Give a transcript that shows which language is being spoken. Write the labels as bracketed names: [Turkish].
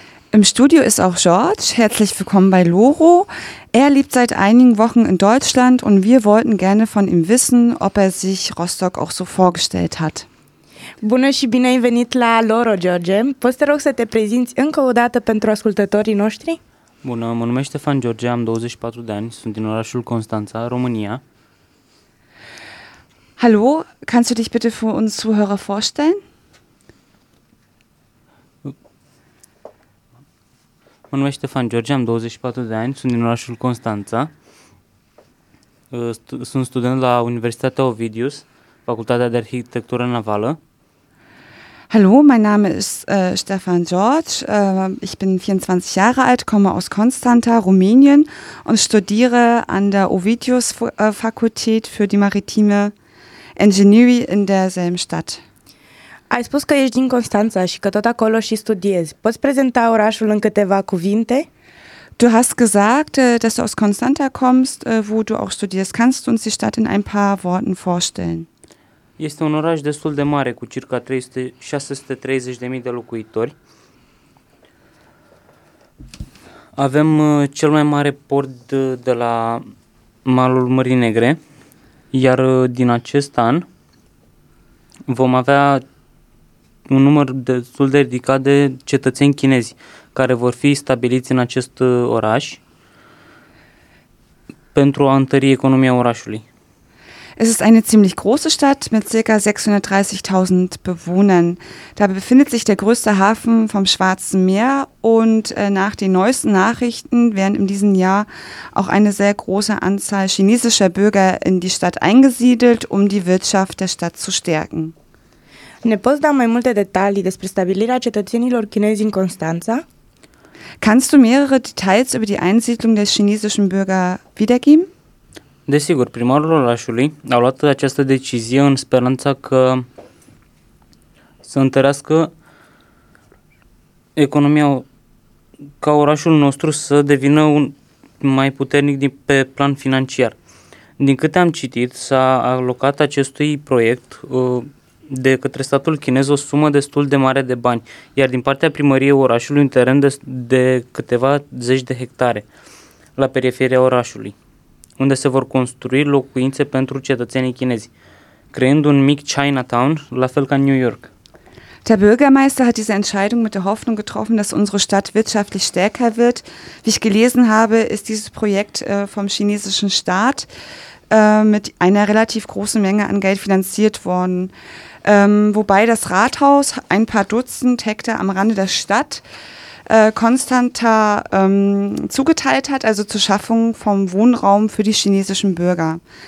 [German] Im Studio ist auch George. Herzlich willkommen bei Loro. Er lebt seit einigen Wochen in Deutschland und wir wollten gerne von ihm wissen, ob er sich Rostock auch so vorgestellt hat. [Romanian] Bună și bine ai venit la Loro, George. Poți te rog să te prezinți încă o dată pentru ascultătorii noștri? Bună, mă numesc Ștefan George, am 24 de ani, sunt din orașul Constanța, România. [German] Hallo, kannst du dich bitte für uns Zuhörer vorstellen? [Romanian] Mă numesc Ștefan George, am 24 de ani, sunt din orașul Constanța. Sunt student la Universitatea Ovidius, Facultatea de Arhitectură Navală. [German] Hallo, mein Name ist Ștefan George. Ich bin 24 Jahre alt, komme aus Constanța, Rumänien und studiere an der Ovidius Fakultät für die maritime Engineering in derselben Stadt. [Romanian] Ai spus că ești din Constanța și că tot acolo și studiezi. Poți prezenta orașul în câteva cuvinte? [German] Du hast gesagt, dass du aus Constanța kommst, wo du auch studierst. Kannst du uns die Stadt in ein paar Worten vorstellen? [Romanian] Este un oraș destul de mare, cu circa 630.000 de locuitori. Avem cel mai mare port de la malul Mării Negre, iar din acest an vom avea un număr destul de ridicat de cetățeni chinezi care vor fi stabiliți în acest oraș pentru a întări economia orașului. [German] Es ist eine ziemlich große Stadt mit ca. 630.000 Bewohnern. Da befindet sich der größte Hafen vom Schwarzen Meer und nach den neuesten Nachrichten werden in diesem Jahr auch eine sehr große Anzahl chinesischer Bürger in die Stadt eingesiedelt, um die Wirtschaft der Stadt zu stärken. [Romanian] Ne poți da mai multe detalii despre stabilirea cetățenilor chinezi în Constanța? [German] Kannst du mehrere Details über die Einsiedlung der chinesischen Bürger wiedergeben? [Romanian] Desigur, primarul orașului a luat această decizie în speranța că să întărească economia, ca orașul nostru să devină un mai puternic pe plan financiar. Din câte am citit, s-a alocat acestui proiect de către statul chinez o sumă destul de mare de bani, iar din partea primăriei orașului un teren de câteva zeci de hectare la periferia orașului, unde se vor construi locuințe pentru cetățenii chinezi, creând un mic Chinatown, la fel ca New York. [German] Der Bürgermeister hat diese Entscheidung mit der Hoffnung getroffen, dass unsere Stadt wirtschaftlich stärker wird. Wie ich gelesen habe, ist dieses Projekt vom chinesischen Staat mit einer relativ großen Menge an Geld finanziert worden. Wobei das Rathaus ein paar Dutzend Hektar am Rande der Stadt Konstanta zugeteilt hat, also zur Schaffung vom Wohnraum für die chinesischen Bürger.